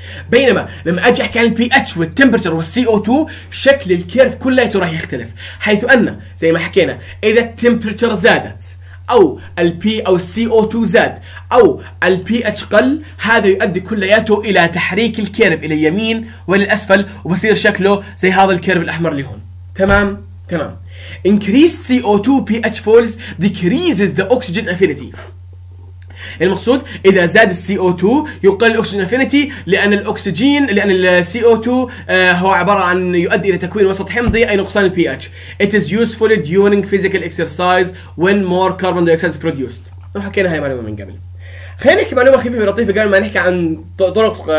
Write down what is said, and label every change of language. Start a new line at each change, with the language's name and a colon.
Arabic: بينما لما اجي احكي عن البي اتش والتمبرتشر والسي او 2 شكل الكيرف كله راح يختلف، حيث ان زي ما حكينا اذا التمبرتشر زادت او البي او السي او 2 زاد او البي اتش قل هذا يؤدي كلياته الى تحريك الكيرف الى اليمين وللاسفل وبصير شكله زي هذا الكيرف الاحمر اللي هون. تمام تمام.
English: increase CO2 pH falls decreases the oxygen affinity.
Arabic: المقصود اذا زاد السي او 2 يقل الاكسجين افينيتي، لان الاكسجين لان السي او 2 هو عباره عن يؤدي الى تكوين وسط حمضي اي نقصان البي اتش.
English: It is useful during physical exercise when more carbon dioxide is produced.
Arabic: وحكينا هاي معلومه من قبل. خلينا نحكي معلومه خفيفه ولطيفه قبل ما نحكي عن طرق.